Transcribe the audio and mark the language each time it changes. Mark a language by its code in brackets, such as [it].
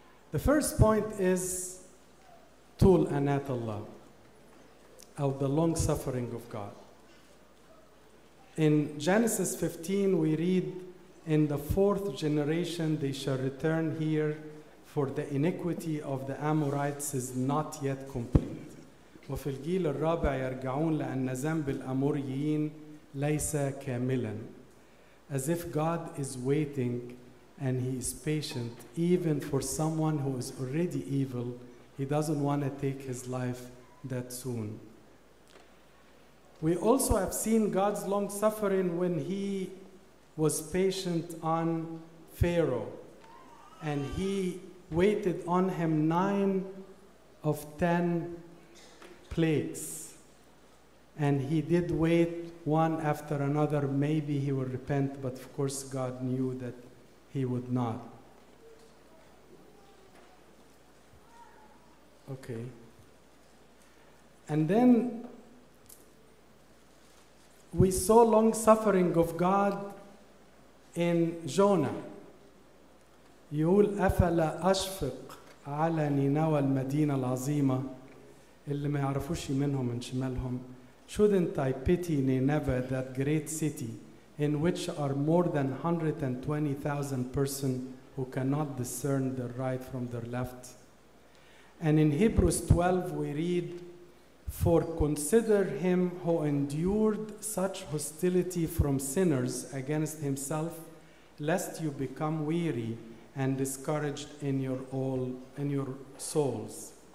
[en] The first point is [ar] tul anat Allah, [en] of the long suffering of God. In Genesis 15, we read, in the fourth generation they shall return here, for the iniquity of the Amorites is not yet complete. [ar] وفي الجيل الرابع يرجعون لأن ذنب الأموريين ليس كاملا. [en] As if God is waiting and he is patient even for someone who is already evil, he doesn't want to take his life that soon. We also have seen God's long suffering when he was patient on Pharaoh, and he waited on him 9 of 10 plagues, and he did wait one after another. Maybe he will repent, but of course God knew that he would not. Okay. And then we saw long suffering of God in Jonah. [ar] يقول أفلا أشفق على نينوى المدينة العظيمة اللي ما يعرفوش منهم من شمالهم. [en] Shouldn't I pity Nineveh, that great city in which are more than 120,000 persons who cannot discern their right from their left? And in Hebrews 12 we read, for consider him who endured such hostility from sinners against himself, lest you become weary and discouraged in your souls.